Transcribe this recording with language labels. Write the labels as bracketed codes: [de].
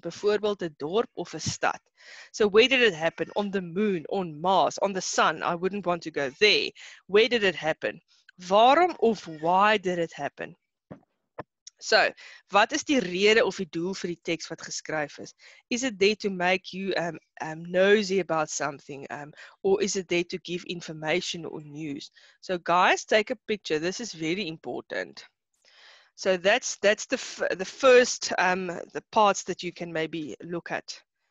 [af] Bijvoorbeeld a dorp of a stad. [en] So where did it happen? On the moon, on Mars, on the sun. I wouldn't want to go there. Where did it happen? [af] Waarom of [en] why did it happen? [af] So, wat is die rede of die doel vir die tekst wat geskryf is? [en] Is it there to make you nosy about something? Or is it there to give information or news? So guys, take a picture. This is very important. So that's the first the parts that you can maybe look at.